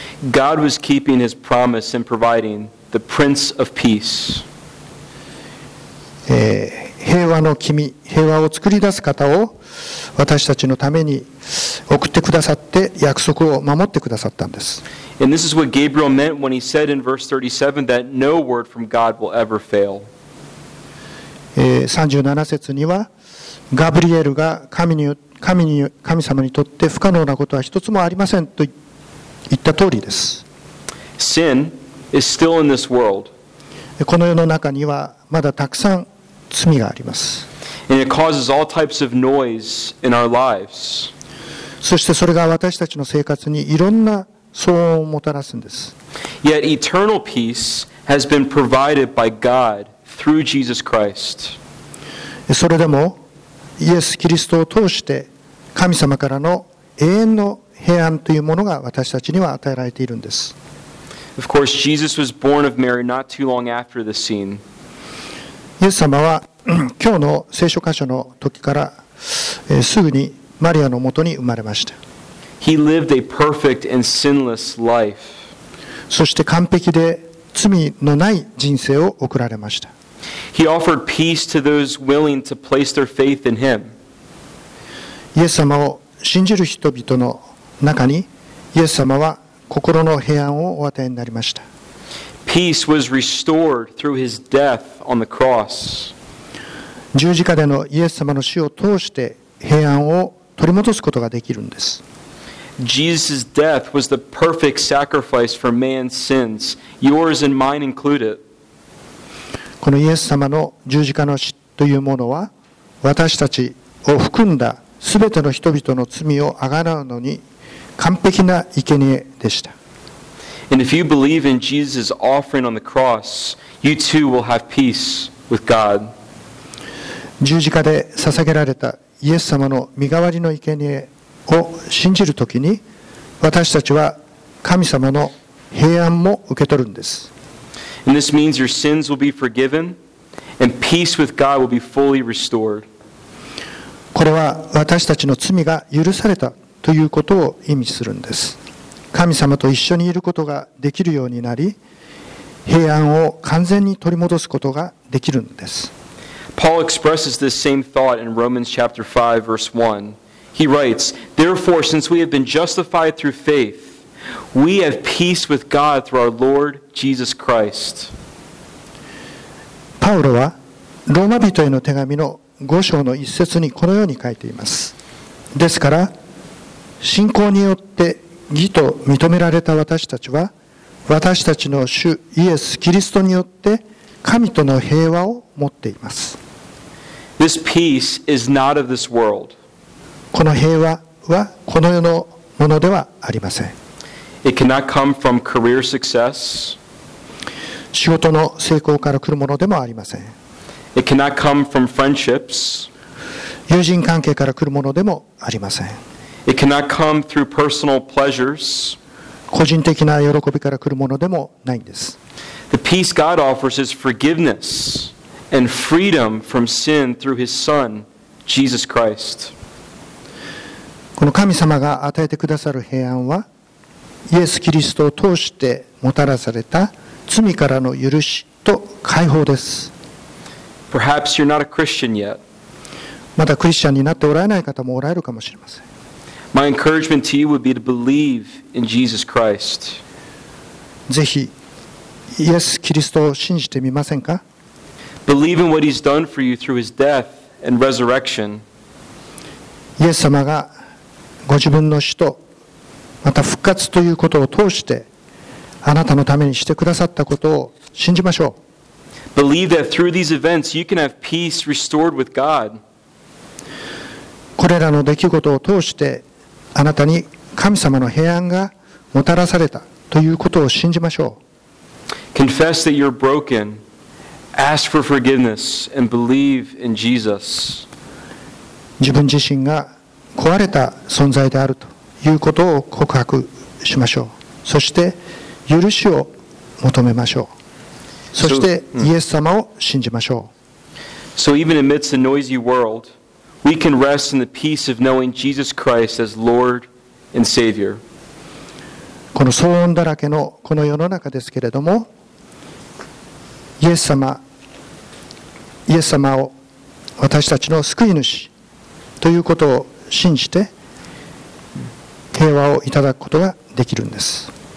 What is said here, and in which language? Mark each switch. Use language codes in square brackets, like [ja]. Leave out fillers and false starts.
[en] God was keeping his promise and providing the Prince of Peace. [ja] 平和の君、平和を作り出す方を私たちのために送ってくださって約束を守ってくださったんです。 [en] And this is what Gabriel meant when he said in verse 37 that no word from God will ever fail. [ja] 37節にはガブリエルが神様にとって不可能なことは一つもありませんと言った通りです。 [en] Sin is still in this world. [ja] この世の中にはまだたくさん罪があります。 [en] And it causes all types of noise in our lives. [ja] そしてそれが私たちの生活にいろんな騒音をもたらすんです。 [en] Yet eternal peace has been provided by God through Jesus Christ. [ja] それでもイエス・キリストを通して神様からの永遠の平安というものが私たちには与えられているんです。 [en] Of course, Jesus was born of Mary not too long after this scene. [ja] イエス様は今日の聖書箇所の時からすぐにマリアのもとに生まれました。 [en] He lived a perfect and sinless life. [ja] そして完璧で罪のない人生を送られました。 [en] He offered peace to those willing to place their faith in him. [ja] イエス様を信じる人々の中にイエス様は心の平安をお与えになりました。 [en] Peace was restored through his death on the cross. [ja] 十字架でのイエス様の死を通して平安を取り戻すことができるんです。 [en] Jesus' death was the perfect sacrifice for man's sins, yours and mine included. [ja] このイエス様の十字架の死というものは私たちを含んだ全ての人々の罪を贖うのに完璧な生贄でした。 [en] And if you believe in Jesus' offering on the cross, you too will have peace with God. [ja] 十字架で捧げられたイエス様の身代わりの生贄を信じるときに、私たちは神様の平安も受け取るんです。 [en] And this means your sins will be forgiven, and peace with God will be fully restored. [ja] これは私たちの罪が許されたということを意味するんです。神様と一緒にいることができるようになり、平安を完全に取り戻すことができるんです。 [en] Paul expresses this same thought in Romans chapter 5, verse 1. He writes, Therefore, since we have been justified through faith, we have peace with God through our Lord Jesus Christ. [ja] パウロは、ローマ人への手紙の5章の一節にこのように書いています。ですから、信仰によって、義と認められた私たちは私たちの主イエス・キリストによって神との平和を持っています。 [en] This peace is not of this world. [ja] この平和はこの世のものではありません。 [en] It cannot come from career success. [ja] 仕事の成功から来るものでもありません。 [en] It cannot come from friendships. [ja] 友人関係から来るものでもありません。 [en] It cannot come through personal pleasures. [ja] 個人的な喜びから来るものでもないんです。 [en] The peace God offers is forgiveness and freedom from sin through His Son, Jesus Christ. [ja] この神様が与えてくださる平安は、イエス・キリストを通してもたらされた罪からの許しと解放です。 [en] Perhaps you're not a Christian yet. [ja] まだクリスチャンになっておられない方もおられるかもしれません。 [en] My encouragement to you would be to believe in Jesus Christ. [ja] ぜひ、イエス・キリストを信じてみませんか? [en] Believe in what He's done for you through His death and resurrection. [ja] イエス様がご自分の死と、また復活ということを通して、あなたのためにしてくださったことを信じましょう。 [en] Believe that through these events you can have peace restored with God. [ja] これらの出来事を通して、あなたに神様の平安がもたらされたということを信じましょう。 [en] Confess that you're broken. Ask for forgiveness and believe in Jesus. [ja] 自分自身が壊れた存在であるということを告白しましょう。そして許しを求めましょう。そしてイエス様を信じましょう。 [en] So even amidst a noisy world,We can rest in the peace of knowing Jesus Christ as Lord and Savior. [ja] この騒音だらけのこの世の中ですけれども、イエス様を私たちの救い主ということを信じて平和をいただくことができるんです。